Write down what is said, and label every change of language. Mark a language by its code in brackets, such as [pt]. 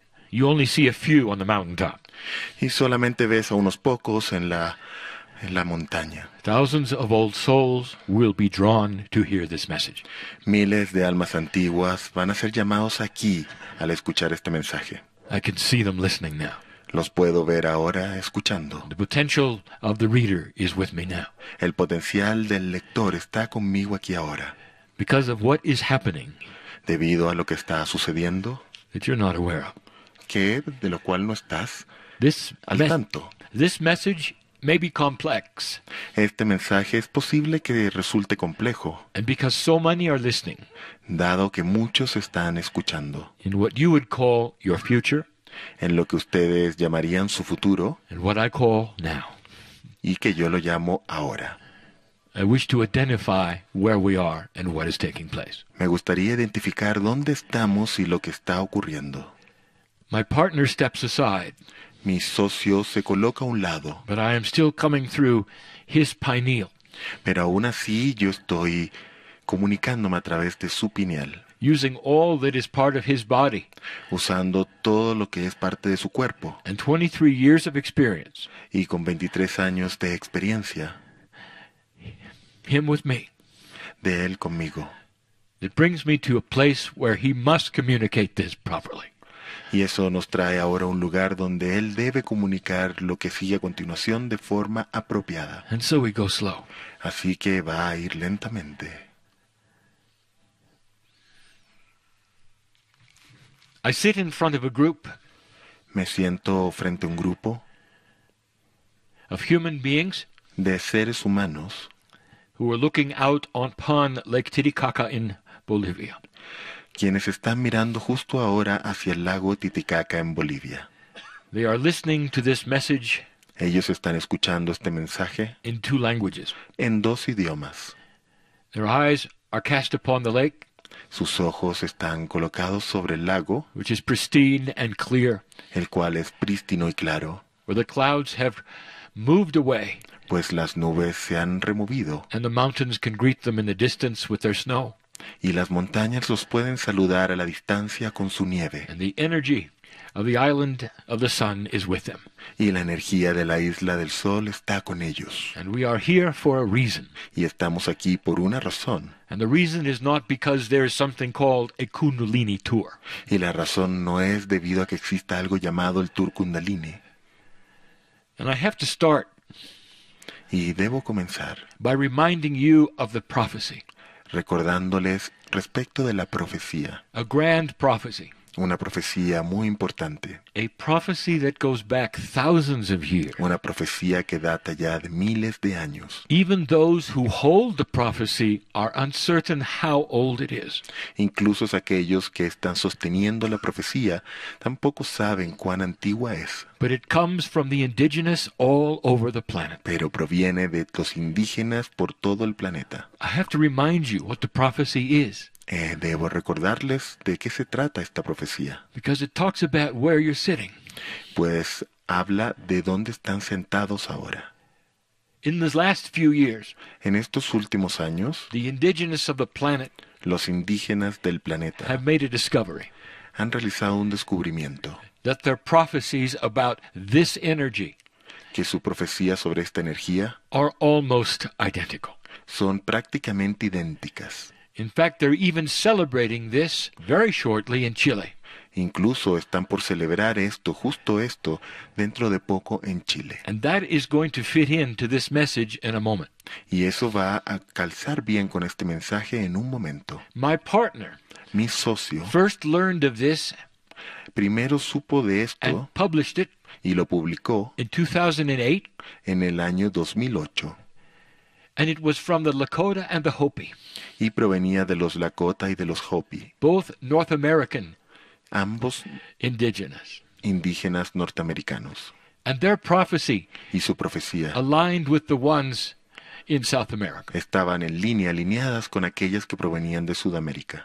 [en] You only see a few on the mountaintop. [es] Y solamente ves a unos pocos en la montaña. [en] Thousands of old souls will be drawn to hear this message. [es] Miles de almas antiguas van a ser llamados aquí al escuchar este mensaje. [en] I can see them listening now. [es] Los puedo ver ahora escuchando. [en] The potential of the reader is with me now. [es] El potencial del lector está conmigo aquí ahora. [en] Because of what is happening. [es] Debido a lo que está sucediendo. [en] That you're not aware of. [es] Que de lo cual no estás al tanto. [en] This message may be complex. [es] Este mensaje es posible que resulte complejo. [en] And because so many are listening. [es] Dado que muchos están escuchando. [en] In what you would call your future. [es] En lo que ustedes llamarían su futuro. [en] And what I call now. [es] Y que yo lo llamo ahora. [en] I wish to identify where we are and what is taking place. [es] Me gustaría identificar dónde estamos y lo que está ocurriendo. [en] My partner steps aside. [es] Mi socio se coloca a un lado. [en] But I am still coming through his pineal. [es] Pero aún así yo estoy comunicándome a través de su pineal. [en] Using all that is part of his body. [es] Usando todo lo que es parte de su cuerpo. [en] And 23 years of experience. [es] Y con 23 años de experiencia. [en] Him with me. [es] De él conmigo. [en] It brings me to a place where he must communicate this properly. [es] Y eso nos trae ahora a un lugar donde él debe comunicar lo que sigue a continuación de forma apropiada. [en] And so we go slow. [es] Así que va a ir lentamente. [en] I sit in front of a group. [es] Me siento frente a un grupo. [en] Of human beings. [es] De seres humanos. [en] Who are looking out upon Lake Titicaca in Bolivia. [es] Quienes están mirando justo ahora hacia el lago Titicaca en Bolivia. [en] They are listening to this message. [es] Ellos están escuchando este mensaje. [en] In two languages. [es] En dos idiomas. [en] Their eyes are cast upon the lake. [es] Sus ojos están colocados sobre el lago. [en] Which is pristine and clear. [es] El cual es prístino y claro. [en] Where the clouds have moved away. [es] Pues las nubes se han removido. [en] And the mountains can greet them in the distance with their snow. [es] Y las montañas los pueden saludar a la distancia con su nieve. [en] And the energy of the island of the sun is with them. [es] Y la energía de la isla del sol está con ellos. [en] And we are here for a reason. [es] Y estamos aquí por una razón. [en] And the reason is not because there is something called a Kundalini tour. [es] Y la razón no es debido a que exista algo llamado el tour Kundalini. [en] And I have to start. [es] Y debo comenzar. [en] By reminding you of the prophecy. [es] Recordándoles respecto de la profecía. [en] A grand prophecy. [es] Una profecía muy importante. [en] A prophecy that goes back thousands of years. [es] Una profecía que data ya de miles de años. [en] Even those who hold the prophecy are uncertain how old it is. [es] Incluso aquellos que están sosteniendo la profecía tampoco saben cuán antigua es. [en] But it comes from the indigenous all over the planet. [es] Pero proviene de los indígenas por todo el planeta. [en] I have to remind you what the prophecy is. [es] Debo recordarles de qué se trata esta profecía. [en] Because it talks about where you're sitting. [es] Pues habla de dónde están sentados ahora. [en] In these last few years, [es] en estos últimos años, [en] the indigenous of the planet, [es] los indígenas del planeta, [en] have made a discovery. [es] Han realizado un descubrimiento. [en] That their prophecies about this energy, [es] que su profecía sobre esta energía, [en] are almost identical. [es] Son prácticamente idénticas. [en] In fact, they're even celebrating this very shortly in Chile. [es] Incluso están por celebrar esto, justo esto, dentro de poco en Chile. [en] And that is going to fit into this message in a moment. [es] Y eso va a calzar bien con este mensaje en un momento. [en] My partner, [es] mi socio, [en] first learned of this. [es] Primero supo de esto. [en] And published it. [es] Y lo publicó. [en] In 2008. [es] En el año 2008. [en] And it was from the Lakota and the Hopi. [es] Y provenía de los Lakota y de los Hopi. [en] Both North American. [es] Ambos [en] indigenous. [es] Indígenas norteamericanos. [en] And their prophecy. [es] Y su profecía. [en] Aligned with the ones in South America. [es] Estaban en línea, alineadas con aquellas que provenían de Sudamérica.